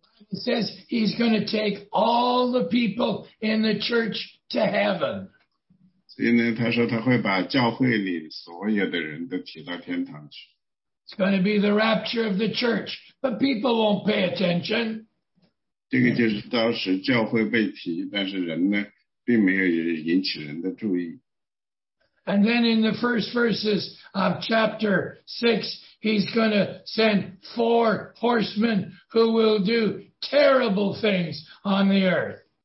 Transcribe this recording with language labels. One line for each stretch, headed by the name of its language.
English: He says he's going to take all the people in the church to heaven.
Chinese: 所以呢，他说他会把教会里所有的人都提到天堂去。
English: It's going to be the rapture of the church, but people won't pay attention.
Chinese: 这个就是当时教会被提，但是人呢，并没有引起人的注意。
English: And then in the first verses of chapter 6, he's going to send four horsemen who will do terrible things on the earth.